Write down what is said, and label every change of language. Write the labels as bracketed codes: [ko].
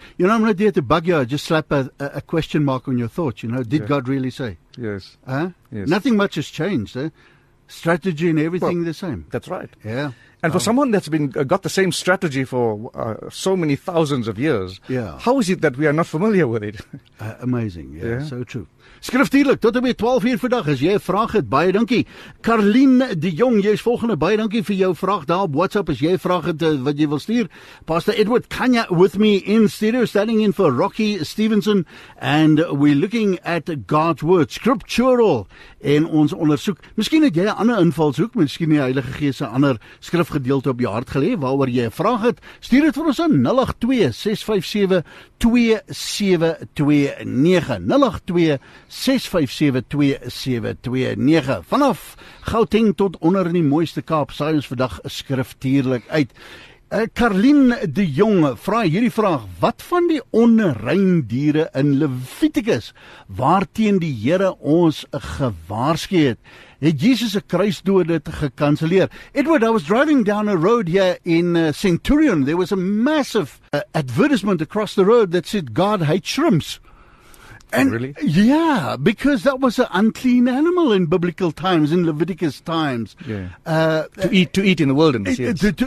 [en] You know, I'm not here to bug you. I just slap a question mark on your thoughts, you know. Did God really say? Yes. Huh? Yes. Nothing much has changed. Eh? Strategy and everything the same. That's right. Yeah. And for someone that's been got the same strategy for so many thousands of years, how is it that we are not familiar with it? Amazing. Yeah, yeah. So true. [af] Skriftuurlik, tot en met 12 uur vandag, as jy 'n vraag het, baie dankie. Karline de Jong, jy is volgende, baie dankie vir jou vraag daar op WhatsApp, as jy 'n vraag het wat jy wil stuur. [en] Pastor Edward Kanya with me in studio, standing in for Rocky Stevenson, and we're looking at God's Word, scriptural, [af] in ons onderzoek. Miskien het jy 'n ander invalshoek, miskien die Heilige Gees 'n ander skrifgedeelte op jou hart gelê, waaroor jy 'n vraag het, stuur het vir ons in 082-657-2729 vanaf Gauteng tot onder in die mooiste Kaap Science vandag skriftuurlik uit. Karline de Jong vra hierdie vraag: wat van die onrein diere in Levitikus waarteen die Here ons gewaarsku het? Het Jesus 'n kruisdood dit gekanselleer? [en] Edward, I was driving down a road here in Centurion. There was a massive advertisement across the road that said God hates shrimps. And, really? Yeah, because that was an unclean animal in biblical times, in Leviticus times. Yeah. To eat in the wilderness, yes.